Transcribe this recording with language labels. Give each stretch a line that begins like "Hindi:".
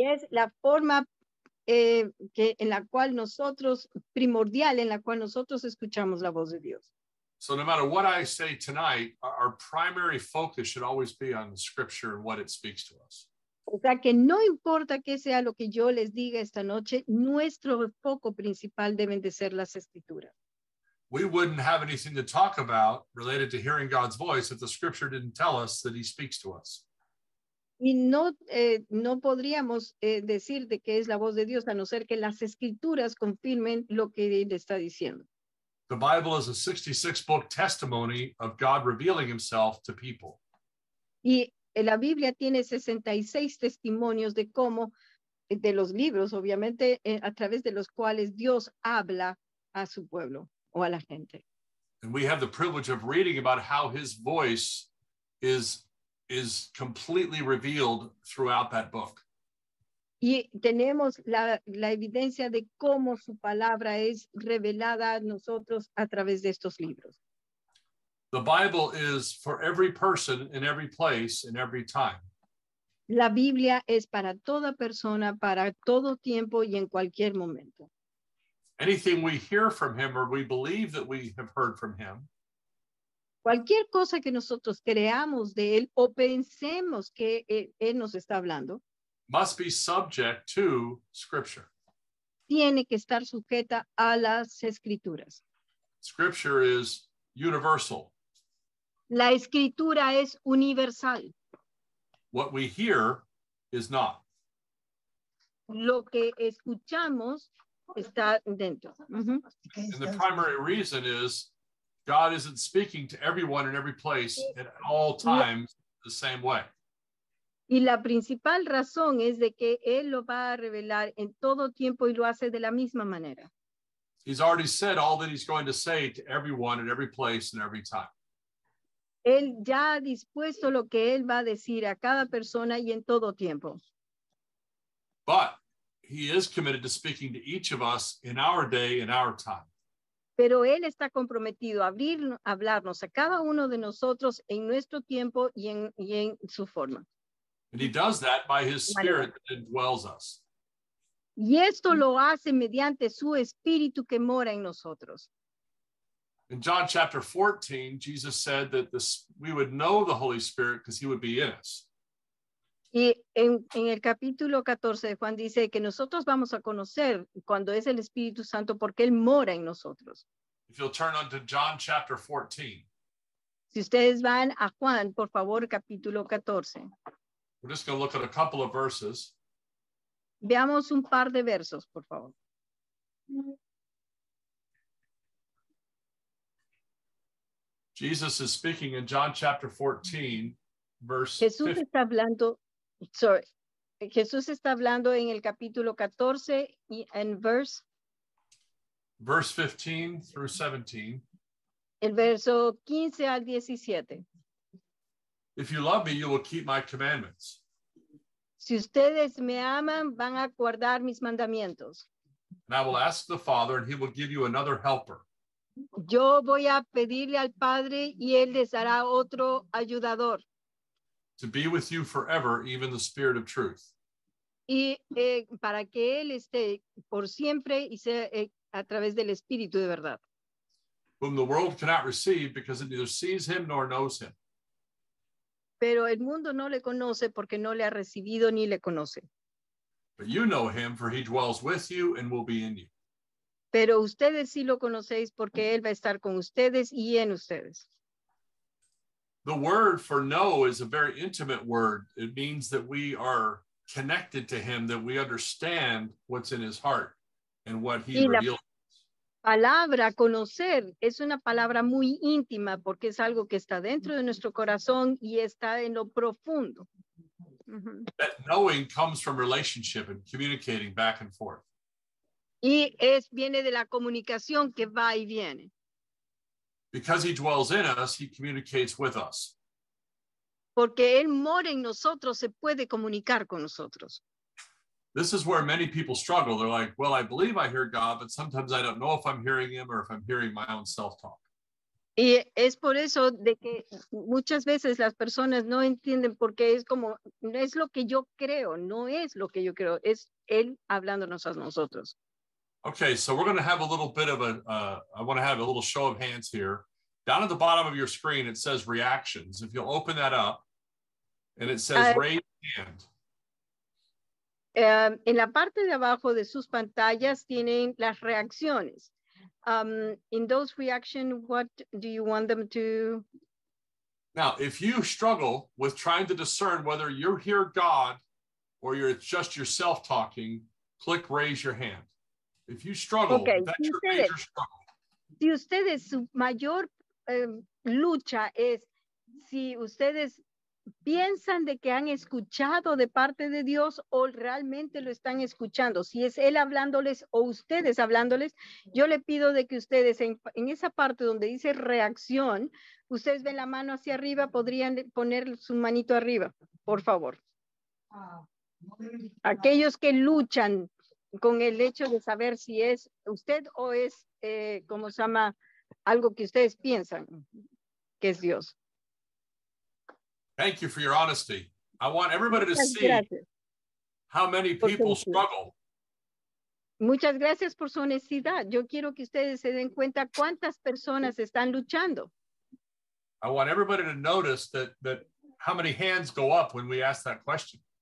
Spanish: La forma que en la cual nosotros primordial en la cual nosotros escuchamos la voz de Dios.
English: So no matter what I say tonight, our primary focus should always be on the scripture and what it speaks to us.
Spanish: O sea que no importa qué sea lo que yo les diga esta noche, nuestro foco principal deben de ser las escrituras.
English: We wouldn't have anything to talk about related to hearing God's voice if the scripture didn't tell us that he speaks to us.
Spanish: Y no, no podríamos decir de qué es la voz de Dios, a no ser que las escrituras confirmen lo que él está diciendo.
English: The Bible is a 66-book testimony of God revealing himself to people.
Spanish: Y la Biblia tiene 66 testimonios de cómo, de los libros, obviamente, a través de los cuales Dios habla a su pueblo o a la gente.
English: And we have the privilege of reading about how his voice is completely revealed throughout that book.
Spanish: Y tenemos la evidencia de cómo su palabra es revelada a nosotros a través de estos libros.
English: The Bible is for every person in every place in every time.
Spanish: La Biblia es para toda persona, para todo tiempo y en cualquier momento.
English: Anything we hear from him or we believe that we have heard from him,
Spanish: cualquier cosa que nosotros creamos de él o pensemos que él nos está hablando,
English: must be subject to scripture.
Spanish: Tiene que estar sujeta a las escrituras.
English: Scripture is universal.
Spanish: La escritura es universal.
English: What we hear is not.
Spanish: Lo que escuchamos está dentro.
English: And the primary reason is God isn't speaking to everyone in every place at all times the same way.
Spanish: Y la principal razón es de que él lo va a revelar en todo tiempo y lo hace de la misma manera.
English: He's already said all that he's going to say to everyone in every place and every time.
Spanish: Él ya ha dispuesto lo que él va a decir a cada persona y en todo tiempo.
English: But he is committed to speaking to each of us in our day and our time.
Spanish: Pero él está comprometido a abrir, a hablarnos a cada uno de nosotros en nuestro tiempo y en su forma.
English: And he does that by his spirit that indwells us.
Spanish: Y esto lo hace mediante su espíritu que mora en nosotros.
English: In John chapter 14, Jesus said that we would know the Holy Spirit because he would be in us.
Spanish: Y en el capítulo 14 de Juan dice que nosotros vamos a conocer cuando es el Espíritu Santo porque él mora en nosotros.
English: If you'll turn on to John chapter 14.
Spanish: Si ustedes van a Juan, por favor, capítulo 14.
English: We're just going to look at a couple of verses.
Spanish: Veamos un par de versos, por favor.
English: Jesus is speaking in John chapter 14, verse
Spanish: Jesús 15. Está hablando.
English: Sorry.
Spanish: Jesús está hablando en el capítulo 14 y en
English: verse 15 through 17.
Spanish: El verso 15 al 17.
English: If you love me, you will keep my commandments.
Spanish: Si ustedes me aman, van a guardar mis mandamientos.
English: And I will ask the Father and he will give you another helper.
Spanish: Yo voy a pedirle al Padre y él les dará otro ayudador.
English: To be with you forever, even the Spirit of Truth.
Spanish: Y para que él esté por siempre y sea a través del Espíritu de verdad.
English: Whom the world cannot receive because it neither sees him nor knows him.
Spanish: Pero el mundo no le conoce porque no le ha recibido ni le conoce.
English: But you know him, for he dwells with you and will be in you.
Spanish: Pero ustedes sí lo conocéis porque él va a estar con ustedes y en ustedes.
English: The word for know is a very intimate word. It means that we are connected to him, that we understand what's in his heart and what he reveals.
Spanish: Palabra conocer es una palabra muy íntima porque es algo que está dentro de nuestro corazón y está en lo profundo.
English: That knowing comes from relationship and communicating back and forth.
Spanish: Y es viene de la comunicación que va y viene.
English: Because he dwells in us, he communicates with us.
Spanish: Porque él mora en nosotros, se puede comunicar con nosotros.
English: This is where many people struggle. They're like, well, I believe I hear God, but sometimes I don't know if I'm hearing him or if I'm hearing my own self-talk.
Spanish: Y es por eso de que muchas veces las personas no entienden porque es como, no es lo que yo creo, no es lo que yo creo, es él hablándonos a nosotros.
English: Okay, so we're going to have a little bit of a, I want to have a little show of hands here. Down at the bottom of your screen, it says reactions. If you'll open that up, and it says raise hand.
Spanish: En la parte de abajo de sus pantallas tienen las reacciones.
English: In those reactions, what do you want them to? Now, if you struggle with trying to discern whether you're hear God or you're just yourself talking, click raise your hand. If you struggle, okay. That's your major struggle.
Spanish: Si ustedes, su mayor lucha es si ustedes piensan de que han escuchado de parte de Dios o realmente lo están escuchando, si es él hablándoles o ustedes hablándoles, yo le pido de que ustedes en esa parte donde dice reacción, ustedes ven la mano hacia arriba, podrían poner su manito arriba, por favor. Aquellos que luchan con el hecho de saber si es usted o es, ¿cómo se llama? Algo que ustedes piensan que es Dios.
English: Thank you for your honesty. I want everybody to see how many people struggle.
Spanish: Muchas gracias por su honestidad. Yo quiero que ustedes se den cuenta cuántas personas están luchando.
English: I want everybody to notice that how many hands go up when we ask that question.